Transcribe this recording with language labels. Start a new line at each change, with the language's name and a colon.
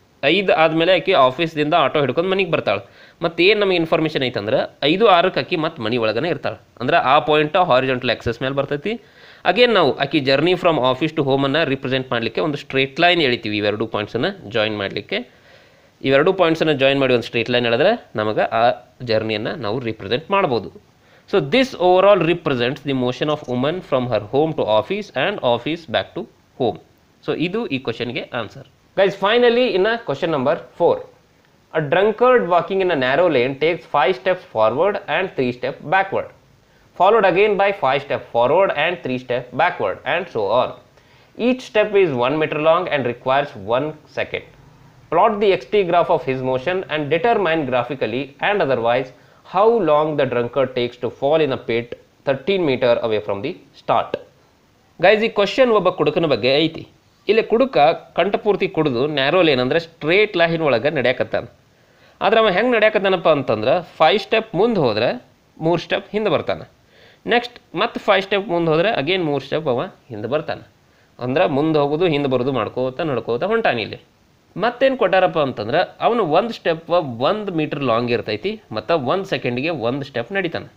Kannada: 5 ಆದಮೇಲೆ ಆಕೆ ಆಫೀಸ್ದಿಂದ ಆಟೋ ಹಿಡ್ಕೊಂಡು ಮನೆಗೆ ಬರ್ತಾಳೆ. ಮತ್ತು ಏನು ನಮಗೆ ಇನ್ಫಾರ್ಮೇಷನ್ ಐತಂದ್ರೆ 5:00 ಆಕೆ ಮತ್ತು ಮನೆ ಒಳಗೇ ಇರ್ತಾಳೆ. ಅಂದರೆ ಆ ಪಾಯಿಂಟ್ ಹಾರಿಜೆಂಟಲ್ ಆಕ್ಸಿಸ್ ಮೇಲೆ ಬರ್ತೈತಿ. ಅಗೇನ್ ನಾವು ಆಕೆ
English: journey from office to
Kannada: ಹೋಮನ್ನು represent ಮಾಡಲಿಕ್ಕೆ ಒಂದು ಸ್ಟ್ರೇಟ್ ಲೈನ್ ಎಳಿತೀವಿ. ಇವೆರಡೂ ಪಾಯಿಂಟ್ಸನ್ನು ಜಾಯಿನ್ ಮಾಡಲಿಕ್ಕೆ ಇವೆರಡೂ ಪಾಯಿಂಟ್ಸನ್ನು ಜಾಯಿನ್ ಮಾಡಿ ಒಂದು ಸ್ಟ್ರೇಟ್ ಲೈನ್ ಹೇಳಿದ್ರೆ ನಮಗೆ ಆ ಜರ್ನಿಯನ್ನು ನಾವು ರಿಪ್ರೆಸೆಂಟ್ ಮಾಡ್ಬೋದು.
English: So this overall represents the motion of woman from her home to office and office back to home. So
Kannada: idu ee question ge answer.
English: Guys, finally in a question number 4. A drunkard walking in a narrow lane takes 5 steps forward and 3 steps backward, followed again by 5 steps forward and 3 steps backward, and so on. Each step is 1 meter long and requires 1 second. Plot the XT graph of his motion and determine graphically and otherwise how long the drunkard takes to fall in a pit 13 meter away from the start. Guys, this question is about the question.
Kannada: ಇಲ್ಲಿ ಕುಡುಕ ಕಂಠಪೂರ್ತಿ ಕುಡಿದು narrow lane ಅಂದರೆ straight line ಒಳಗೆ ನಡೆಯಕತ್ತಾನೆ. ಆದರೆ ಅವ ಹೆಂಗೆ ನಡೆಯಕತ್ತಾನಪ್ಪ ಅಂತಂದ್ರೆ 5 step ಮುಂದೆ ಹೋದರೆ 3 ಸ್ಟೆಪ್ ಹಿಂದೆ ಬರ್ತಾನೆ, ನೆಕ್ಸ್ಟ್ ಮತ್ತೆ 5 ಸ್ಟೆಪ್ ಮುಂದೆ ಹೋದರೆ ಅಗೇನ್ 3 ಸ್ಟೆಪ್ ಅವ ಹಿಂದೆ ಬರ್ತಾನೆ. ಅಂದ್ರೆ ಮುಂದೆ ಹೋಗೋದು ಹಿಂದೆ ಬರೋದು ಮಾಡ್ಕೋತಾ ನಡ್ಕೋತಾ ಹೊಂಟಾನೆ. ಇಲ್ಲಿ ಮತ್ತೇನು ಕೊಟ್ಟಾರಪ್ಪ ಅಂತಂದ್ರೆ ಅವನು 1 ಸ್ಟೆಪ್ 1 ಮೀಟರ್ ಲಾಂಗ್ ಇರ್ತೈತಿ, ಮತ್ತು 1 ಸೆಕೆಂಡ್ಗೆ 1 ಸ್ಟೆಪ್ ನಡೀತಾನೆ.